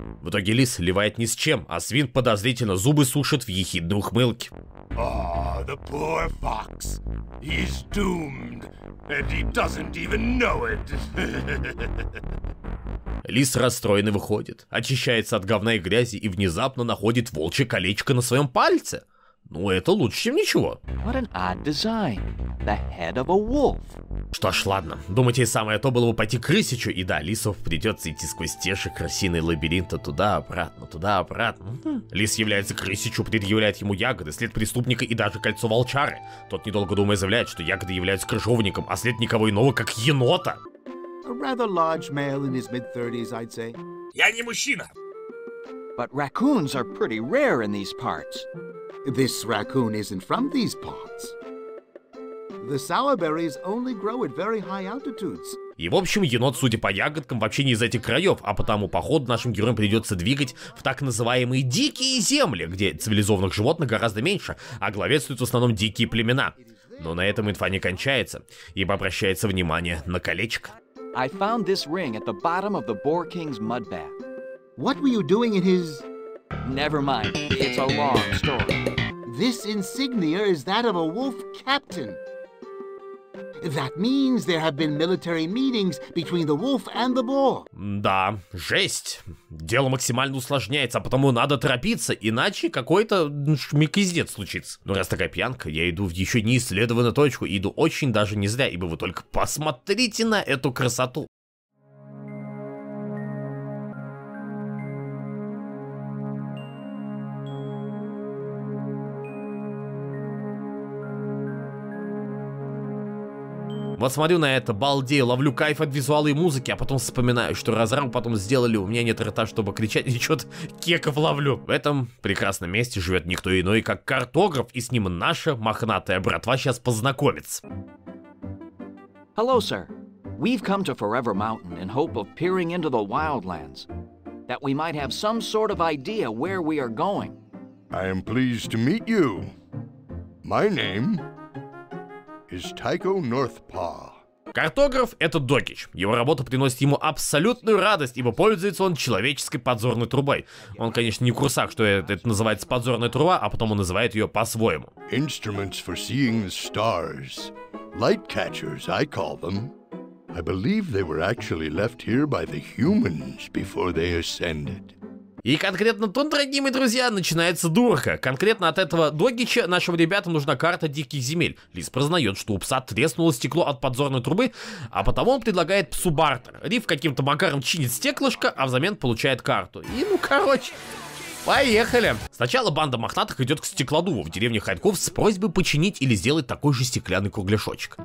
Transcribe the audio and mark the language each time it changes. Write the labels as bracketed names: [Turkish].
[Russian] В итоге лис сливает ни с чем, а свин подозрительно зубы сушит в ехидной ухмылке. [English] Ah, the poor fox. He's doomed, and he doesn't even know it. [Russian] Лис расстроенно выходит, очищается от говна и грязи и внезапно находит волчье колечко на своем пальце. Ну, это лучше, чем ничего. [English] What an odd design. The head of a wolf. [Russian] Что ж, ладно. Думаете, самое то было бы пойти к рысичу? И да, лисов придется идти сквозь те же крысиные лабиринты туда-обратно, туда-обратно. Лис является к рысичу, предъявляет ему ягоды, след преступника и даже кольцо волчары. Тот, недолго думая, заявляет, что ягоды являются крыжовником, а след никого иного, как енота. [English] A rather large male in his mid-30s, I'd say. [Russian] Я не мужчина. [English] But raccoons are pretty rare in these parts. This raccoon isn't from these parts. The sourberries only grow at very high altitudes. [Russian] И в общем, енот, судя по ягодкам, вообще не из этих краев, а потому походу нашим героям придется двигать в так называемые дикие земли, где цивилизованных животных гораздо меньше, а главенствуют в основном дикие племена. Но на этом инфа не кончается, ибо обращается внимание на колечко. [English] I found this ring at the bottom of the Boar King's mud bag. What were you doing in his... Never mind, it's a long story. This insignia is that of a wolf captain. That means there have been military meetings between the wolf and the boar. [Russian] Да, жесть. Дело максимально усложняется, а потому надо торопиться, иначе какой-то шмикизнец случится. Ну раз такая пьянка, я иду в еще не исследованную точку, иду очень даже не зря, ибо вы только посмотрите на эту красоту. Вот смотрю на это, балдею, ловлю кайф от визуала и музыки, а потом вспоминаю, что разрабы потом сделали, у меня нет рта, чтобы кричать, и чё-то кеков ловлю. В этом прекрасном месте живет никто иной, как картограф, и с ним наша мохнатая братва сейчас познакомится. [English] Hello, sir. We've come to Forever Mountain in hope of peering into the wildlands, that we might have some sort of idea where we are going. I am pleased to meet you. My name... is Tycho Northpaw. [Russian] Картограф — это Докич. Его работа приносит ему абсолютную радость, ибо пользуется он человеческой подзорной трубой. Он, конечно, не курсак, что это называется подзорная труба, а потом он называет ее по-своему. [English] Instruments for seeing the stars. Light catchers, I call them. I believe they were actually left here by the humans before they ascended. [Russian] И конкретно тут, дорогие мои друзья, начинается дурка. Конкретно от этого Догича нашим ребятам нужна карта диких земель. Лис признает, что у пса треснуло стекло от подзорной трубы, а потому он предлагает псу бартер. Риф каким-то макаром чинит стеклышко, а взамен получает карту. И ну короче, поехали! Сначала банда мохнатых идет к стеклодуву в деревне Ходьков с просьбой починить или сделать такой же стеклянный кругляшочек.